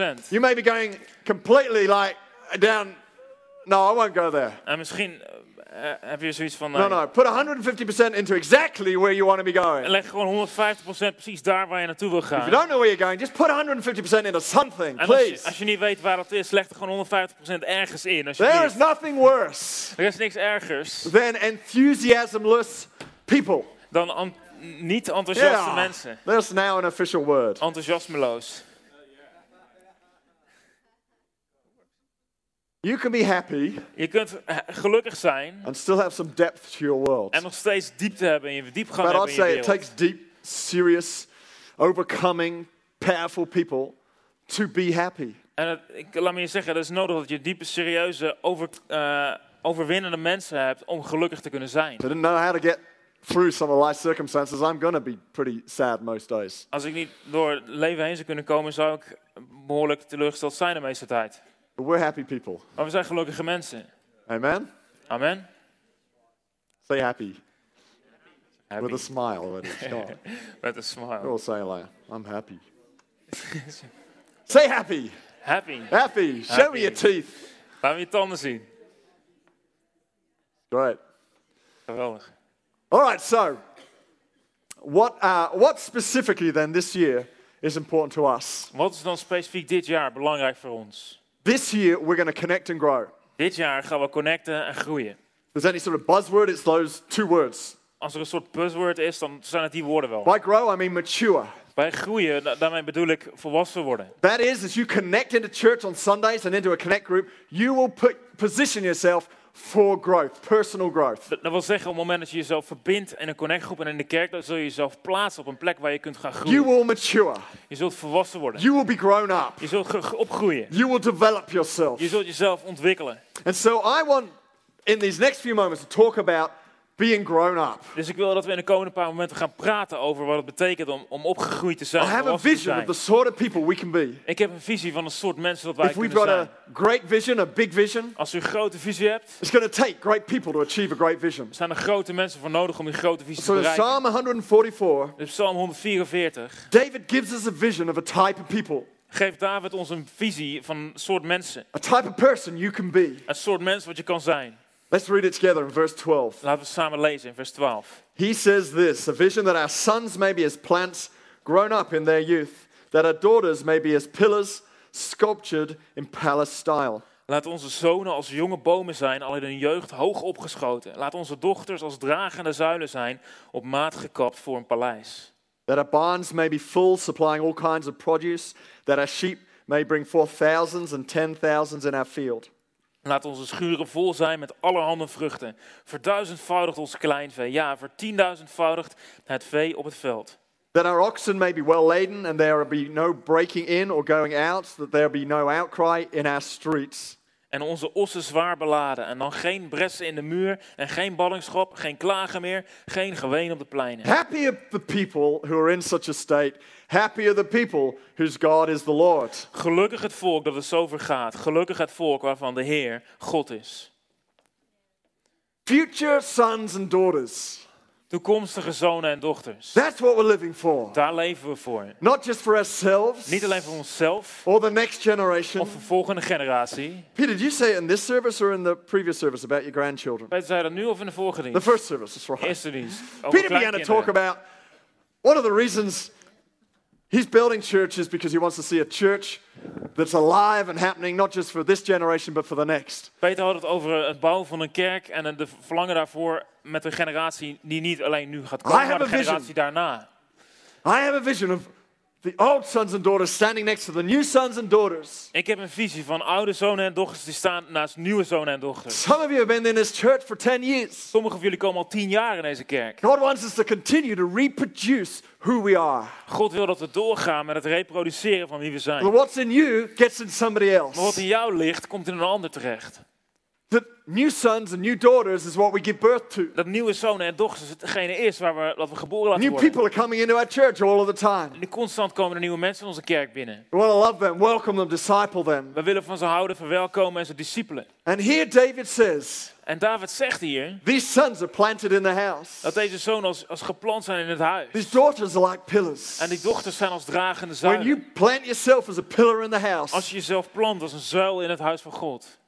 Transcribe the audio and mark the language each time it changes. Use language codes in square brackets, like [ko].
[en] You may be going completely like down. No, I won't go there. [nl] En misschien heb je zoiets van. [en] No, no. Put 150% into exactly where you want to be going. [nl] En leg gewoon 150% precies daar waar je naartoe wil gaan. [en] If you don't know where you're going, just put 150% into something, please. [nl] Als je niet weet waar dat is, leg er gewoon 150% ergens in. [en] There is nothing worse. [nl] Er is niks ergers. [en] Than enthusiasmless people. [nl] Dan niet enthousiaste mensen. [en] That's now an official word. [nl] Enthousiasmeloos. [en] You can be happy. [nl] Je kunt gelukkig zijn. [en] And still have some depth to your world. [nl] En nog steeds diepte hebben in je diepgang in je wereld. [en] But I'd say it takes deep, serious, overcoming, powerful people to be happy. [nl] En het, ik laat me je zeggen, dat is nodig dat je diepe, serieuze, overwinnende mensen hebt om gelukkig te kunnen zijn. [en] I didn't know how to get through some of life's circumstances, I'm going to be pretty sad most days. [nl] Als ik niet door leven heen zou kunnen komen, zou ik behoorlijk teleurgesteld zijn de meeste tijd. [en] But we're happy people. Maar we zijn gelukkige mensen. Amen. Amen. Say happy. Happy. With a smile. When it's gone. With a smile. We'll say like, I'm happy. Say happy. Happy. Happy. Show me your teeth. [nl] Laat me je tanden zien. [en] Great. [nl] Geweldig. [en] All right, so what specifically then this year is important to us? [nl] Wat is dan specifiek dit jaar belangrijk voor ons? [en] This year we're going to connect and grow. [nl] Dit jaar gaan we connecten en groeien. [en] If there's any sort of buzzword, it's those two words. [nl] Als er een soort buzzword is, dan zijn het die woorden wel. [en] By grow, I mean mature. [nl] Bij groeien, daarmee bedoel ik volwassen worden. [en] That is, as you connect into church on Sundays and into a connect group, you will position yourself for growth, personal growth. [nl] Dat wil zeggen, op het moment dat je jezelf verbindt in een connectgroep en in de kerk, dan zul je jezelf plaatsen op een plek waar je kunt gaan groeien. [en] You will mature. [nl] Je zult volwassen worden. [en] You will be grown up. [nl] Je zult opgroeien. [en] You will develop yourself. [nl] Je zult jezelf ontwikkelen. [en] And so I want in these next few moments to talk about being grown up. [nl] Dus ik wil dat we in de komende paar momenten gaan praten over wat het betekent om opgegroeid te zijn. [en] I have a vision of the sort of people we can be. [nl] Ik heb een visie van het soort mensen dat wij kunnen zijn. [en] If we've got a great vision, a big vision. [nl] Als u een grote visie hebt. [en] It's going to take great people to achieve a great vision. [nl] Er zijn grote mensen voor nodig om die grote visie te bereiken. [en] So in Psalm 144. David gives us a vision of a type of people. [nl] Geeft David ons een visie van een soort mensen. [en] A type of person you can be. [nl] Een soort mens wat je kan zijn. [en] Let's read it together in verse 12. [nl] Laten we samen lezen in vers 12. [en] He says this, a vision that our sons may be as plants grown up in their youth, that our daughters may be as pillars sculptured in palace style. [nl] Laat onze zonen als jonge bomen zijn, al in hun jeugd hoog opgeschoten. Laat onze dochters als dragende zuilen zijn, op maat gekapt voor een paleis. That our barns may be full, supplying all kinds of produce, that our sheep may bring forth thousands and ten thousands in our field. Laat onze schuren vol zijn met allerhande vruchten. Verduizendvoudigt ons kleinvee. Ja, vertienduizendvoudigt het vee op het veld. [en] That our oxen may be well laden and there be no breaking in or going out. That there be no outcry in our streets. [nl] En onze ossen zwaar beladen. En dan geen bressen in de muur. En geen ballingschap. Geen klagen meer. Geen geween op de pleinen. [en] Happier the people who are in such a state. Happier the people whose God is the Lord. [nl] Gelukkig het volk dat het zo vergaat. Gelukkig het volk waarvan de Heer God is. [en] Future sons and daughters. [nl] Toekomstige zonen en dochters. [en] That's what we're living for. [nl] Daar leven we voor. [en] Not just for ourselves. [nl] Niet alleen voor onszelf. [en] Or the next generation. [nl] Of voor volgende generatie. [en] Peter, did you say it in this service or in the previous service about your grandchildren? [nl] Peter, zei dat nu of in de vorige dienst? [en] The first service, that's right. [nl] Eerste dienst. [en] Peter began to talk about one of the reasons he's building churches because he wants to see a church that's alive and happening, not just for this generation, but for the next. [nl] Peter had het over het bouwen van een kerk en de verlangen daarvoor met een generatie die niet alleen nu gaat komen, maar de generatie daarna. [en] I have a vision of The old sons and daughters standing next to the new sons and daughters. [nl] Ik heb een visie van oude zonen en dochters die staan naast nieuwe zonen en dochters. [en] Some of you have been in this church for 10 years. [nl] Sommige van jullie komen al 10 jaar in deze kerk. [en] God wants us to continue to reproduce who we are. [nl] God wil dat we doorgaan met het reproduceren van wie we zijn. [en] But what's in you gets in somebody else. [nl] Maar wat in jou ligt, komt in een ander terecht. [en] The new sons and new daughters is what we give birth to. [nl] Dat nieuwe zonen en dochters is hetgene is waar we dat we geboren laten worden. [en] New people are coming into our church all of the time. [nl] En constant komen er nieuwe mensen in onze kerk binnen. [en] We want to love them, welcome them, disciple them. [nl] We willen van ze houden, verwelkomen en ze discipelen. [en] And here David says. [nl] En David zegt hier. [en] These sons are planted in the house. [nl] Dat deze zonen als geplant zijn in het huis. [en] These daughters are like pillars. [nl] En die dochters zijn als dragende zuilen. [en] When you plant yourself as a pillar in the house. [nl] Als je jezelf plant als een zuil in het huis van God.